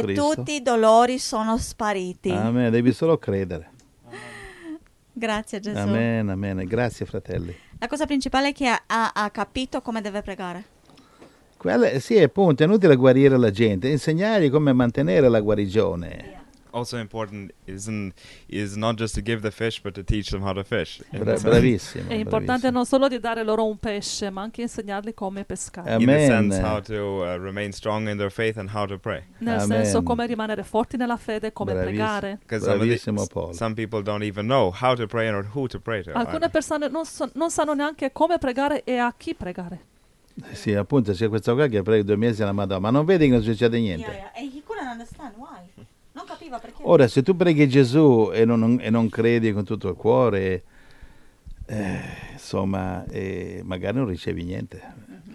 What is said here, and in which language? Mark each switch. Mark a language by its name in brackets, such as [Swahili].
[Italian] Cristo. E tutti i dolori sono spariti. Amen. Devi solo credere. Grazie Gesù. Amen, amen. Grazie fratelli. La cosa principale è che ha capito come deve pregare. Quella, sì, appunto, è inutile guarire la gente. Insegnargli come mantenere la guarigione. [English] Also important is not just to give the fish, but to teach them how to fish. [Italian] Bravissimo. È importante non solo di dare loro un pesce, ma anche insegnarli come pescare. Amen. [English] In the sense how to remain strong in their faith and how to pray. [Italian] Nel senso come rimanere forti nella fede, come pregare. Bravissimo Paul. [English] Some people don't even know how to pray or who to pray to. [Italian] Alcune persone non sanno neanche come pregare e a chi pregare. Sì, appunto, c'è questo qua che prega 2 mesi alla Madonna, ma non vedi che non succede niente. [English] Yeah. He couldn't understand why. [Italian] Non capiva perché. Ora, se tu preghi Gesù e non credi con tutto il cuore, magari non ricevi niente.